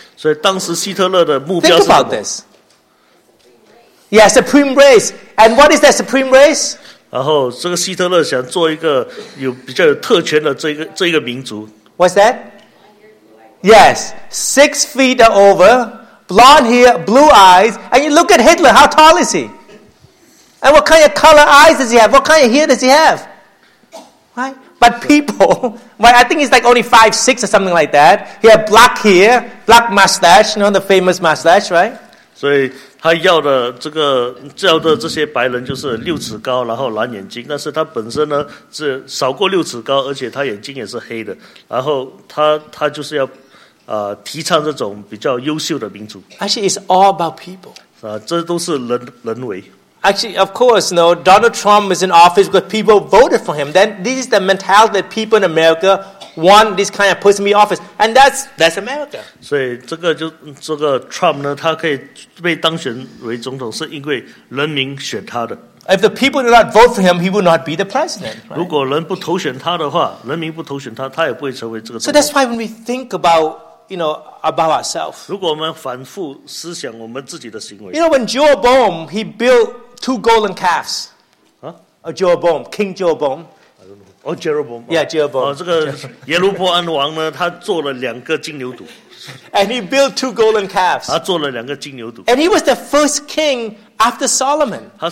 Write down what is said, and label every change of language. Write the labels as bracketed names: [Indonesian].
[Chinese] 所以当时希特勒的目标是什么？ [English] Think about this. Yeah, supreme race. And what is that supreme race? [Chinese] 然后这个希特勒想做一个比较有特权的这个民族。 [English] What's that? Yes, 6 feet over, blonde hair, blue eyes, and you look at Hitler, how tall is he? And what kind of color eyes does he have? What kind of hair does he have? Right? But people, right, I think he's like only 5'6" or something like that. He had black hair, black mustache, you know, the famous mustache, right? [Chinese] 所以他要的这个叫的这些白人就是六尺高，然后蓝眼睛，但是他本身呢是少过六尺高，而且他眼睛也是黑的。然后他就是要提倡这种比较优秀的民族。 [English] Actually, it's all about people. [Chinese] 这都是人为。 [English] Actually, of course, no. Donald Trump is in office because people voted for him. Then this is the mentality that people in America want this kind of person in office, and that's America. [Chinese] 所以这个 Trump 呢，他可以被当选为总统，是因为人民选他的。 [English] If the people do not vote for him, he will not be the president. Right? [Chinese] 如果人不投选他的话，人民不投选他，他也不会成为这个总统。 [English] So that's why when we think about, you know, about ourselves. [Chinese] 如果我们反复思想我们自己的行为。 [English] You know, when Jeroboam, he built two golden calves. Huh? Oh, Jeroboam, King Jeroboam. I don't know. Oh, Jeroboam. Yeah, Jeroboam. [Chinese] 这个耶路波安王呢，他做了两个金牛犊。 [English] And he built two golden calves. [Chinese] 他做了两个金牛犊。 [English] And he was the first king after Solomon.